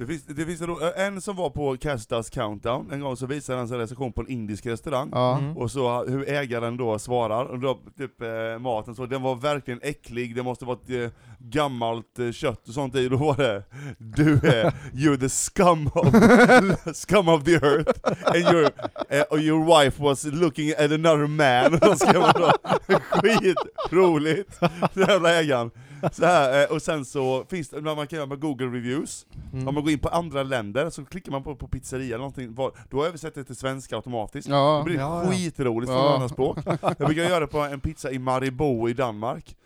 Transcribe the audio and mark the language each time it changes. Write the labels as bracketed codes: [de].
[sv] Det finns en som var på Kastas Countdown en gång, så visade han sin recension på en indisk restaurang. Ja. Mm. Och så hur ägaren då svarar. Och då, typ maten så. Den var verkligen äcklig. Det måste ha varit gammalt kött och sånt i. Då var det, du är [en] you're the scum of the earth. And your wife was looking at another man. [sv] Och så var det skitroligt. Den jävla ägaren. Så här, och sen så finns det, man kan göra med Google Reviews. Mm. Om man går in på andra länder så klickar man på pizzeria eller någonting. Då översätter det till svenska automatiskt. Ja, det blir skitroligt från andra språk. Jag brukar göra det på en pizza i Maribor i Danmark.